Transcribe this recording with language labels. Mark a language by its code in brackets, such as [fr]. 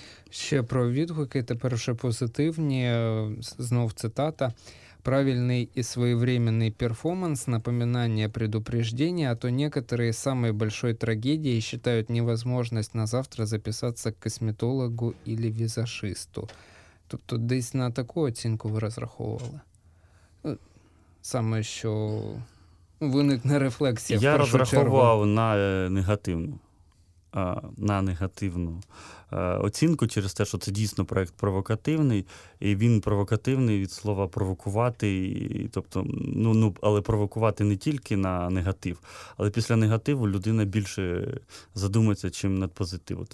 [uk] Ще про відгуки, тепер ще позитивні, знов цитата. [ru] Правильний и своевременный перформанс, напоминание, предупреждение, а то некоторые самой большой трагедией считают невозможность на завтра записаться к косметологу или визажисту. [uk] Тобто десь на таку оцінку ви розраховували. Саме що виникне рефлексія. Я розраховував на негативну. На негативну оцінку через те, що це дійсно проєкт провокативний, і він провокативний від слова провокувати, тобто, ну, але провокувати не тільки на негатив, але після негативу людина більше задумається, чим над позитиву.